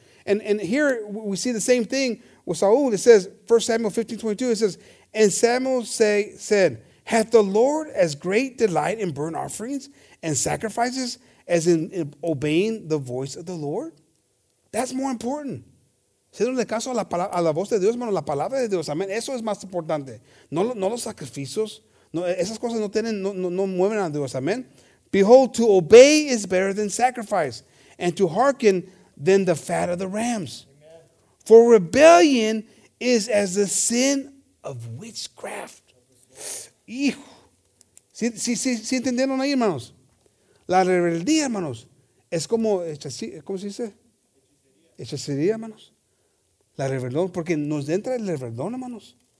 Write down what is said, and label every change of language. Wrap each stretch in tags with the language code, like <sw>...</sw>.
<en>And here we see the same thing with Saul. It says, 1 Samuel 15:22, it says, and Samuel said, hath the Lord as great delight in burnt offerings and sacrifices as in obeying the voice of the Lord? That's more important.</en> <es>Hacerle caso a la voz de Dios, hermano, la palabra de Dios. Amen. Eso es más importante. No los sacrificios. No, esas cosas no mueven a Dios, amen.</es> <en>Behold, to obey is better than sacrifice, and to hearken than the fat of the rams. Amen. For rebellion is as the sin of witchcraft.</en> <es>Hijo. ¿Sí entendieron ahí, hermanos? La rebeldía, hermanos, es como, ¿cómo se dice? Hechicería, hermanos. La rebelión, porque nos entra el rebeldón, hermanos.</es>